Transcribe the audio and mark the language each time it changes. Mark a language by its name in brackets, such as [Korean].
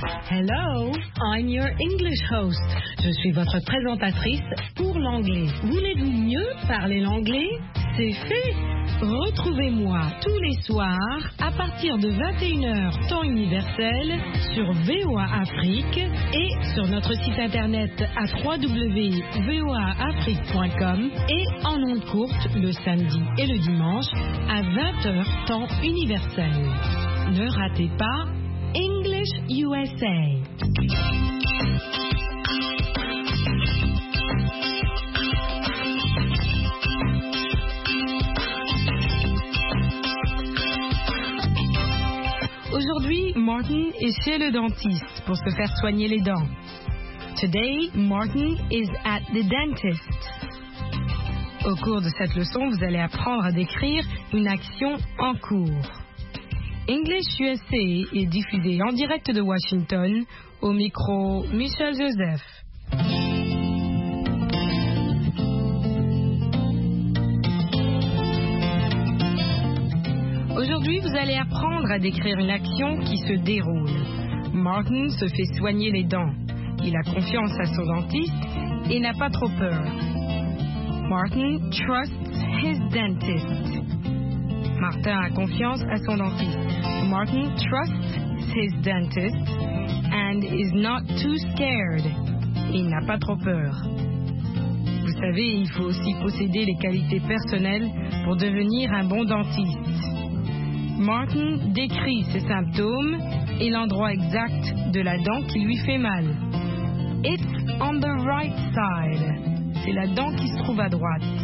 [English] Hello, I'm your English host. [French] Je suis votre présentatrice pour l'anglais. Voulez-vous mieux parler l'anglais? C'est fait. Retrouvez-moi tous les soirs à partir de 21h temps universel sur VOA Afrique et sur notre site internet à www.voaafrique.com et en ondes courtes le samedi et le dimanche à 20h temps universel. Ne ratez pas English USA. Aujourd'hui, Martin est chez le dentiste pour se faire soigner les dents. [English] Today, Martin is at the dentist. [French] Au cours de cette leçon, vous allez apprendre à décrire une action en cours. English USA est diffusé en direct de Washington au micro Michel Joseph. Aujourd'hui, vous allez apprendre à décrire une action qui se déroule. Martin se fait soigner les dents. Il a confiance à son dentiste et n'a pas trop peur. [English] Martin trusts his dentist. [French] Martin a confiance à son dentiste. [English] Martin trusts his dentist and is not too scared. [French] Il n'a pas trop peur. Vous savez, il faut aussi posséder les qualités personnelles pour devenir un bon dentiste. Martin décrit ses symptômes et l'endroit exact de la dent qui lui fait mal. [English] It's on the right side. [French] C'est la dent qui se trouve à droite.